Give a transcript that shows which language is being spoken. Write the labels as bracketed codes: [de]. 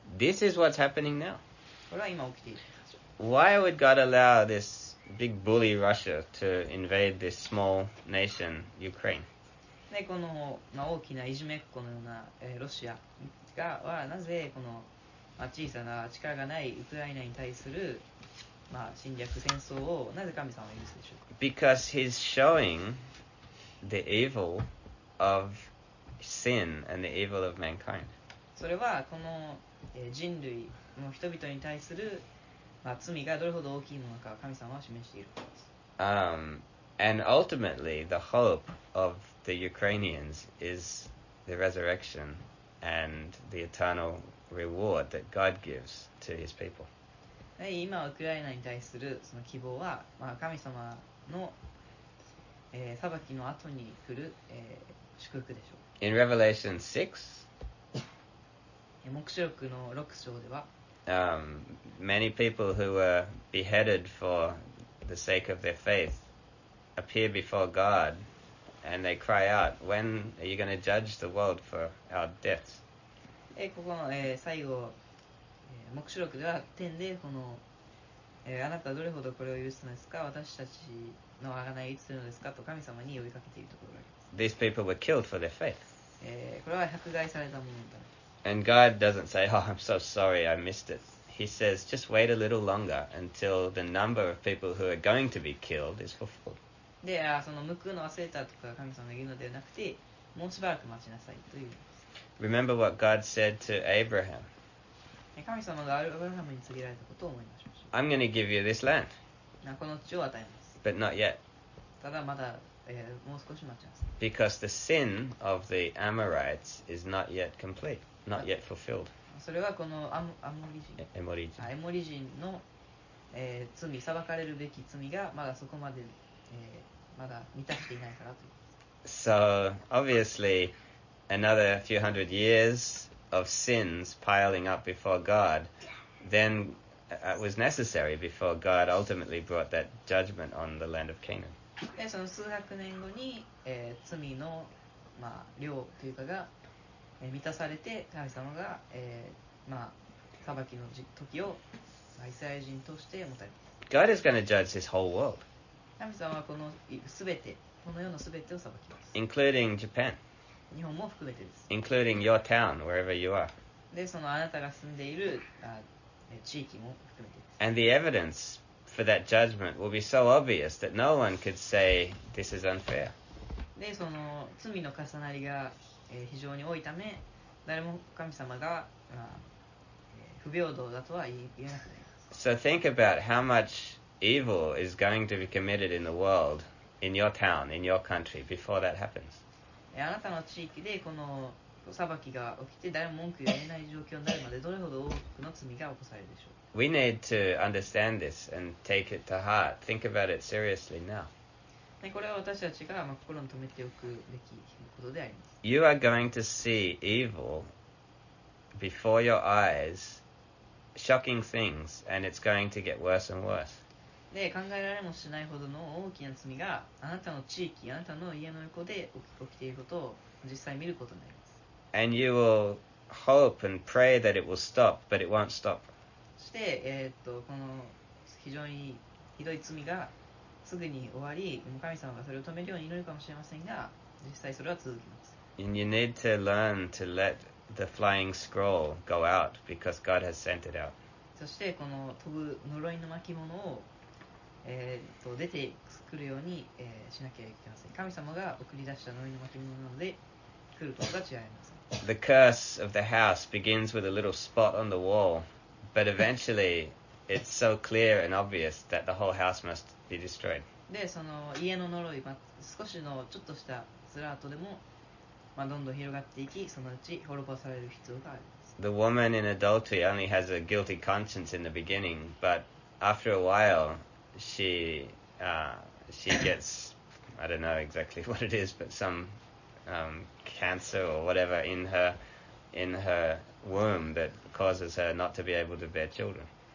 [en] This is what's happening now. [ja] これは今起きている。 [en] Why would God allow this big bully Russia to invade this small nation, Ukraine? [ja] でこの、まあ、大きないじめっ子のような、ロシアがはなぜこの、まあ、小さな力がないウクライナに対する、まあ、侵略戦争をなぜ神様は許すでしょうか。 [en] Because he's showing the evil of sin and the evil of mankind. [ja] それはこの、人類の人々に対する、まあ、罪がどれほど大きいものか神様は示しているからです。 [en] And ultimately, the hope of the Ukrainians is the resurrection and the eternal reward that God gives to His people. [ja] 今、ウクライナに対するその希望は、まあ、神様の、裁きの後に来る、祝福でしょう。 [en] In Revelation 6, [ja] 黙示録の6章では、 [en] many people who were beheaded for the sake of their faith. appear before God and they cry out, when are you going to judge the world for our deaths? [ja] ここの、最後、黙示録では点でこの、あなたどれほどこれを許すのですか、私たちの贖いをいつするのですかと神様に呼びかけているところがあります。 [en] These people were killed for their faith. [ja] これは迫害されたものだ。 [en] And God doesn't say, oh, I'm so sorry, I missed it. He says, just wait a little longer until the number of people who are going to be killed is fulfilled. [ja] で、その報くの忘れたとか神様が言うのではなくて、もうしばらく待ちなさいという。 [en] Remember what God said to Abraham. [ja] 神様がアブラハムに告げられたことを思い出しましょう。 [en] I'm going to give you this land. [ja] この地を与えます。 [en] But not yet. [ja] ただまだ、もう少し待ちなさい。 [en] Because the sin of the Amorites is not yet complete, not yet fulfilled. [ja] それはこのエモリ人の、罪、裁かれるべき罪がまだそこまで、まだ満たしていないからという。 [en] So, obviously, another few hundred years of sins piling up before God, then it was necessary before God ultimately brought that judgment on the land of Canaan. [ja] で、その数百年後に、罪の、まあ、量というかが満たされて神様が、まあ、裁きの時をイスラエル人としてもたれます。 [en] God is going to judge this whole world. [ja] 神様はこの全て、この世の全てを裁きます。 [en] Including Japan. [ja] 日本も含めてです。 [en] Including your town, wherever you are. [ja] で、そのあなたが住んでいる地域も含めてです。 [en] And the evidence for that judgment will be so obvious that no one could say this is unfair. [ja] で、その罪の重なりが非常に多いため誰も神様が、まあ、不平等だとは言えなくなります。 [en] So think about how much evil is going to be committed in the world, in your town, in your country, before that happens. [ja] あなたの地域でこの裁きが起きて誰も文句言えない状況になるまでどれほど多くの罪が起こされるでしょう。 [en] We need to understand this and take it to heart. Think about it seriously now. [ja] これは私たちが心に留めておくべきことであります。 [en] You are going to see evil before your eyes, shocking things, and it's going to get worse and worse. [ja] で、考えられもしないほどの大きな罪があなたの地域、あなたの家の横で起きていることを実際見ることになります。 [en] And you will hope and pray that it will stop, but it won't stop. [ja] そして、この非常にひどい罪がすぐに終わり、神様がそれを止めるように祈るかもしれませんが、実際それは続きます。 [en] And you need to learn to let the flying scroll go out because God has sent it out. [ja] そしてこの飛ぶ呪いの巻物を、出てくるように、しなきゃいけません。神様が送り出した呪いの巻物なので来ることが違います。 [en] The curse of the house begins with a little spot on the wall, but eventually it's so clear and obvious that the whole house must be destroyed. [ja] で、その家の呪い、まあ、少しのちょっとしたスラートでも、まあ、どんどん広がっていき、そのうち滅ぼされる必要があります。 [en] The woman in adultery only has a guilty conscience in the beginning, but after a while, she gets, I don't know exactly what it is, but some cancer or whatever in her womb that causes her not to be able to bear children.